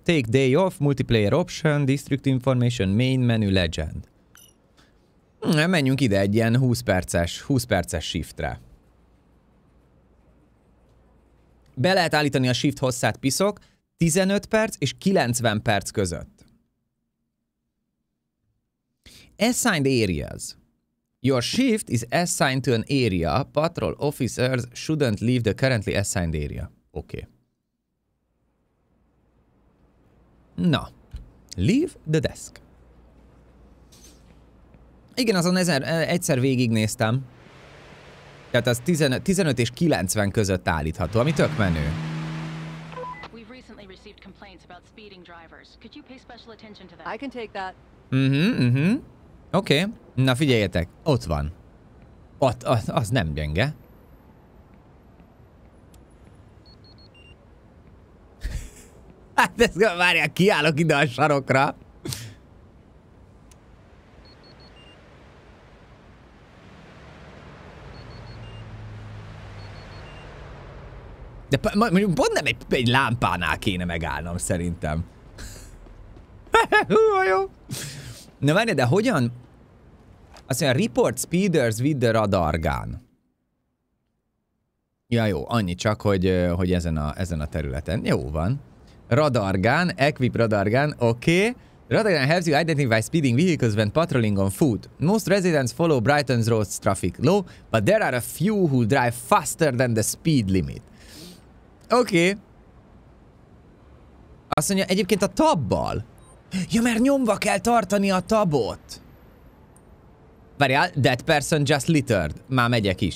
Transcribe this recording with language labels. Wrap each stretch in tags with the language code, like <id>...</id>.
<en>Take day off, multiplayer option, district information, main menu, legend.</en> <hu>Menjünk ide egy ilyen 20 perces shiftre. Be lehet állítani a shift hosszát, piszok, 15 perc és 90 perc között.</hu> <en>Assigned areas. Your shift is assigned to an area. Patrol officers shouldn't leave the currently assigned area. Okay. Na, leave the desk.</en> <hu>Igen, azon egyszer végignéztem. Tehát az 15 és 90 között állítható, ami tök menő.</hu> <en>We've recently received complaints about speeding drivers. Could you pay special attention to that? I can take that.</en> <hu>Oké, okay. Na figyeljetek, ott van. Ott, az nem gyenge. Hát ezt várják, kiállok ide a sarokra. De mondjuk pont nem egy lámpánál kéne megállnom, szerintem. Jó. Na várj, de hogyan? Azt mondja, report speeders with the radar gun. Ja jó, annyi csak, hogy ezen a területen.</hu> <en>Jó van. Radar gun, equip radar gun, oké. Radar gun helps you identify speeding vehicles when patrolling on foot. Most residents follow Brighton's roads traffic law, but there are a few who drive faster than the speed limit.</en> <hu>Oké. Azt mondja, egyébként a tabbal. Ja, mert nyomva kell tartani a tabot. Várjál, that person just littered. Már megyek is.</hu>